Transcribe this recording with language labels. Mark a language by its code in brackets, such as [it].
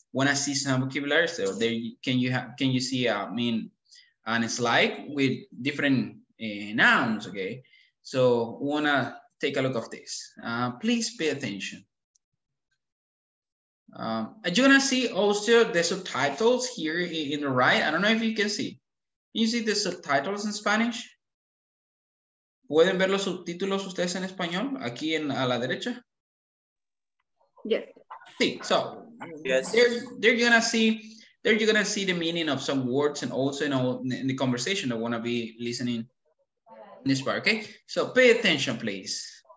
[en] When I see some vocabulary, so there can you see and it's like with different nouns, okay? So wanna take a look of this. Please pay attention. You're gonna see also the subtitles here in the right. I don't know if you can see. Can you see the subtitles in Spanish? [es] ¿Pueden ver los subtítulos ustedes en español aquí en a la derecha? [en] Yes. See, so yes, there you're gonna see the meaning of some words and also in the conversation I wanna be listening in this part. Okay, so pay attention, please.